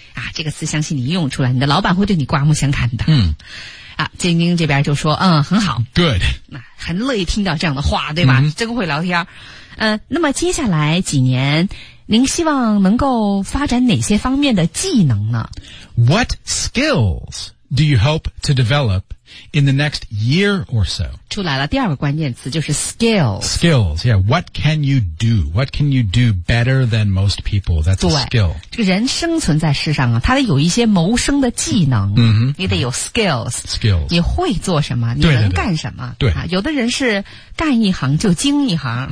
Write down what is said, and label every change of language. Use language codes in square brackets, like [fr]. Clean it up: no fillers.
[zh] 啊，这个词相信你一用出来，你的老板会对你刮目相看的。嗯，啊，精英这边就说，嗯，很好 [en] ，good， [zh] 那很乐意听到这样的话，对吧？嗯、真会聊天。嗯、那么接下来几年，您希望能够发展哪些方面的技能呢 [en] ？What skills do you hope to develop in the next year or so？ [zh] 出来了，第二个关键词就是 skills。 [en] Skills， yeah， what can you do？ What can you do better than most people？ That's a skill。 [zh] 这个人生存在世上啊，他得有一些谋生的技能。嗯、mm-hmm. 你得有 skills。 [en] Skills。 [zh] 你会做什么？你能干什么？对。啊，有的人是干一行就精一行。